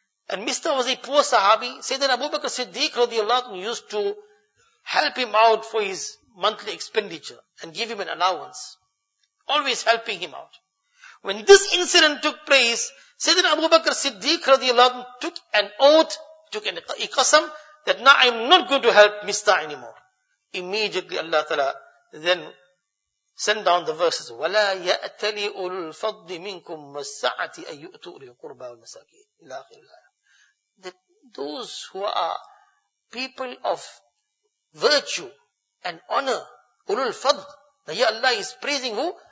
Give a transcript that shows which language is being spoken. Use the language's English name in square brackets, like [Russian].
[English] And Mistah was a poor Sahabi. Sayyidina Abu Bakr Siddiq radiallahu anhu used to help him out for his monthly expenditure and give him an allowance. Always helping him out. When this incident took place, Sayyidina Abu Bakr Siddiq radiallahu anhu took an oath took an iqasam that now I'm not going to help Mista anymore. Immediately Allah Ta'ala then sent down the verses, [Arabic] وَلَا يَأْتَلِي أُولُ الْفَضِّ مِنْكُمْ وَالسَّعَةِ أَن يُؤْتُوا أُولِي الْقُرْبَى وَالْمَسَاكِينَ إِلَىٰ آخِرِ الْآيَةِ. [English] That those who are people of virtue and honor, [Arabic] أُولُو الْفَضِّ, [English] Ya Allah is praising who?